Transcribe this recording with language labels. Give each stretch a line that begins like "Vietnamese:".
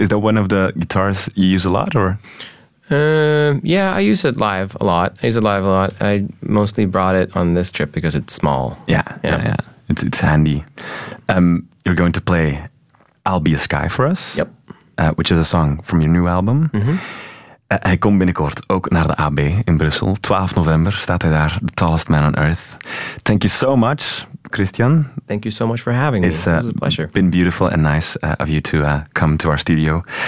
English: Is that one of the guitars you use a lot or? Yeah, I use it live a lot. I mostly brought it on this trip because it's small. Yeah. It's handy. You're going to play I'll Be a Sky for us. Yep. Which is a song from your new album. Mm-hmm.
Dutch: Hij komt binnenkort ook naar de AB in Brussel. 12 november staat hij daar, The Tallest Man on Earth.
English: Thank you so much, Christian. Thank you so much for having me. It's a pleasure. It's been beautiful and nice of you to come to our studio.